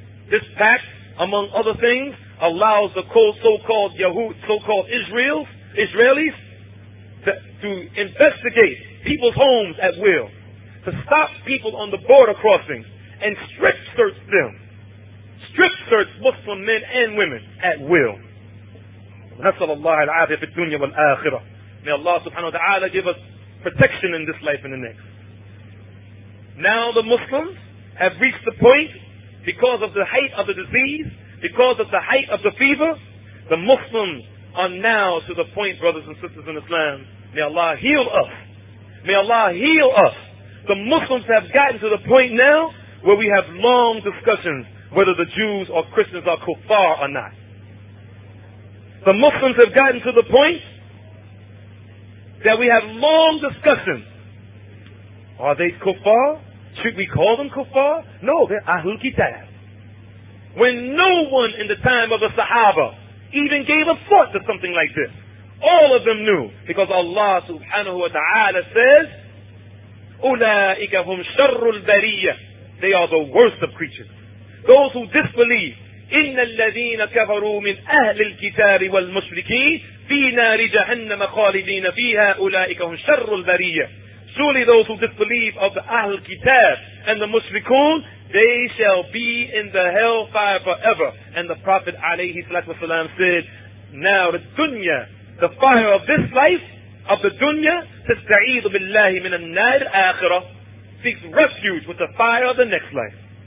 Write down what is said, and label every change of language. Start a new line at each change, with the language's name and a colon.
English: This pact, among other things, allows the so-called Yahud, so-called Israelis, to investigate people's homes at will, to stop people on the border crossings, and strip search them. Strip search Muslim men and women at will.
Arabic: نسأل الله العافية في الدنيا والآخرة.
English: May Allah subhanahu wa ta'ala give us protection in this life and the next. Now the Muslims have reached the point, because of the height of the disease, because of the height of the fever, the Muslims are now to the point, brothers and sisters in Islam. May Allah heal us. May Allah heal us. The Muslims have gotten to the point now where we have long discussions whether the Jews or Christians are kuffar or not. The Muslims have gotten to the point that we have long discussions. Are they kuffar? Should we call them kuffar? No, they're Ahlul Kitab. When no one in the time of the Sahaba even gave a thought to something like this, all of them knew, because Allah subhanahu wa ta'ala says,
Arabic: أُولَٰئِكَ هُمْ شَرُّ الْبَرِيَّةِ.
English: They are the worst of creatures. Those who disbelieve,
Arabic: إِنَّ الَّذِينَ كَفَرُوا مِنْ أَهْلِ الْكِتَابِ وَالْمُشْرِكِينَ فِي نَارِ جَهَنَّمَ خَالِدِينَ فِيهَا أُولَٰئِكَ هُمْ شَرُّ الْبَرِيَّةِ.
English: Surely those who disbelieve of the Ahl Kitab and the Mushrikun, they shall be in the hellfire forever. And the Prophet alayhi salatu wasalam said,
Arabic: نَارِ الدُّنْيَا,
English: the fire of this life, of the dunya,
Arabic: تَسْتَعِيدُ بِاللَّهِ مِنَ النَّارِ الْآخِرَةِ,
English: seeks refuge with the fire of the next life.